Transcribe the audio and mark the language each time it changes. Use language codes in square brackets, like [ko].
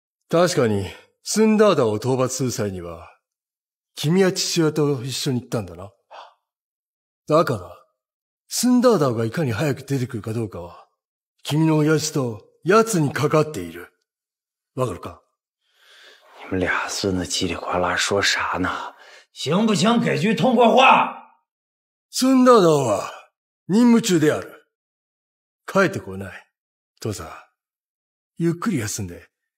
[ja] 確かに、スンダーダを討伐する際には、君は父親と一緒に行ったんだな。だから、スンダーダがいかに早く出てくるかどうかは、君の親父と奴にかかっている。わかるか？ [zh] 你们俩孙子叽里呱啦说啥呢？行不行给句痛快话？ [ja] スンダーダは任務中である。帰ってこない。父さん、ゆっくり休んで。